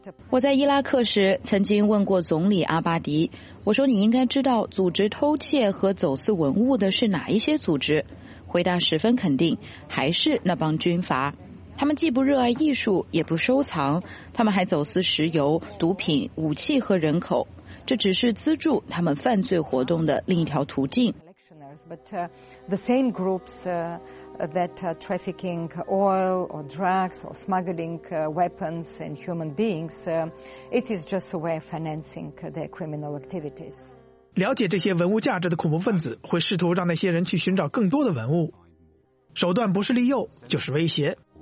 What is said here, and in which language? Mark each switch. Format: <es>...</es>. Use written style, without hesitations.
<zh>我在伊拉克时曾经问过总理阿巴迪，我说你应该知道组织偷窃和走私文物的是哪一些组织，回答十分肯定，还是那帮军阀。他们既不热爱艺术也不收藏，他们还走私石油、毒品、武器和人口，这只是资助他们犯罪活动的另一条途径。</zh> <en>That trafficking oil or drugs or smuggling weapons and human beings, it is just a way of financing their criminal activities.</en> <zh>了解这些文物价值的恐怖分子会试图让那些人去寻找更多的文物，手段不是利诱就是威胁。</zh>